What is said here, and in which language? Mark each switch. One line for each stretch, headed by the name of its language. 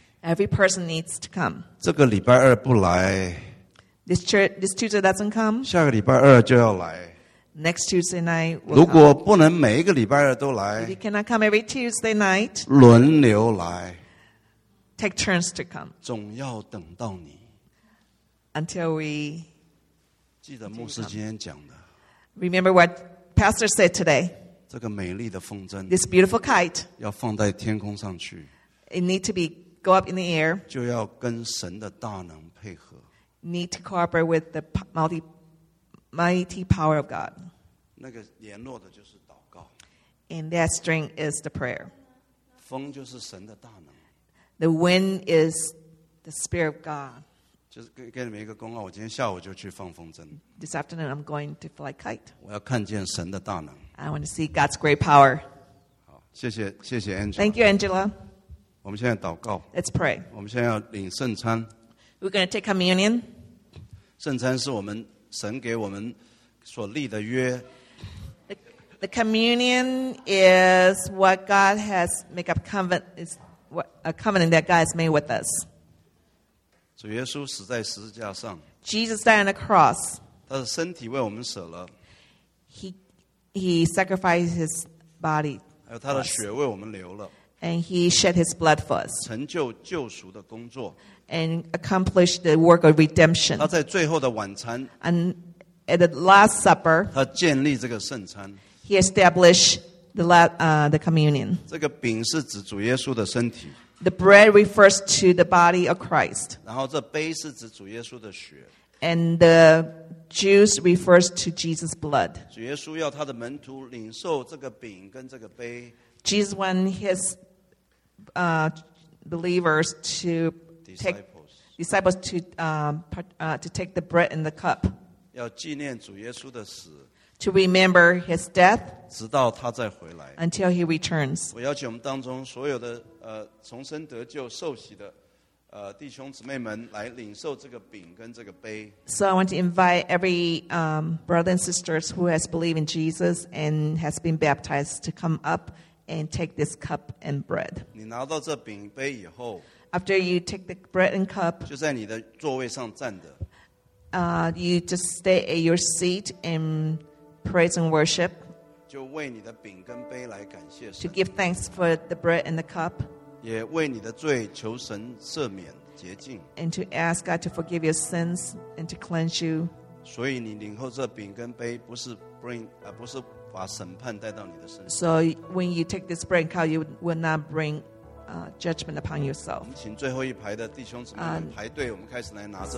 English: Every person needs to come.
Chinese: 这个礼拜二不来。
English: This Tuesday doesn't come.
Chinese: 下个礼拜二就要来。
English: Next Tuesday night.
Chinese: 如果不能每一个礼拜二都来。
English: If you cannot come every Tuesday night.
Chinese: 轮流来。
English: Take turns to come.
Chinese: 总要等到你。
English: Until we.
Chinese: 记得牧师今天讲的。
English: Remember what pastor said today.
Chinese: 这个美丽的风筝
English: This beautiful kite
Chinese: 要放在天空上去
English: It need to be go up in the air
Chinese: 就要跟神的大能配合
English: Need to cooperate with the mighty power of God
Chinese: 那个联络的就是祷告
English: And that string is the prayer
Chinese: 风就是神的大能
English: The wind is the spirit of God
Chinese: 就是给你们一个公告我今天下午就去放风筝
English: This afternoon I'm going to fly kite
Chinese: 我要看见神的大能
English: I want to see God's great power.
Chinese: 好，谢谢 Angela.
English: Thank you, Angela.
Chinese: 我们现在祷告。
English: Let's pray.
Chinese: 我们现在要领圣餐。
English: We're going to take communion.
Chinese: 圣餐是我们神给我们所立的约。
English: The communion is what God has made a covenant. Is a covenant that God has made with us.
Chinese: 主耶稣死在十字架上。
English: Jesus died on the cross.
Chinese: 他的身体为我们舍了。
English: He sacrificed his body.
Chinese: 还有他的血为我们流了。
English: And he shed his blood for us.
Chinese: 成就救赎的工作。
English: And accomplished the work of redemption.
Chinese: 他在最后的晚餐。
English: And at the Last Supper,
Chinese: 他建立这个圣餐。
English: He established the communion.
Chinese: 这个饼是指主耶稣的身体。
English: The bread refers to the body of Christ.
Chinese: 然后这杯是指主耶稣的血。
English: And the juice refers to Jesus' blood.
Chinese: 主耶稣要他的门徒领受这个饼跟这个杯。
English: Jesus wants his believers to disciples to take the bread and the cup.
Chinese: 要纪念主耶稣的死。
English: To remember his death.
Chinese: 直到他再回来。
English: Until he returns.
Chinese: 我邀请我们当中所有的重生得救受洗的弟兄姊妹们来领受这个饼跟这个杯。
English: So I want to invite every brother and sisters who has believed in Jesus and has been baptized to come up and take this cup and bread.
Chinese: 你拿到这饼杯以后，
English: After you take the bread and cup,
Chinese: 就在你的座位上站的。
English: You just stay at your seat and praise and worship.
Chinese: 就为你的饼跟杯来感谢神。
English: To give thanks for the bread and the cup.
Chinese: 也为你的罪求神赦免洁净。
English: And to ask God to forgive your sins and to cleanse you.
Chinese: 所以你领后这饼跟杯不是 bring, 不是把审判带到你的身上。
English: So when you take this bread and cup, you will not bring judgment upon yourself.
Chinese: 请最后一排的弟兄姊妹们排队，我们开始来拿这。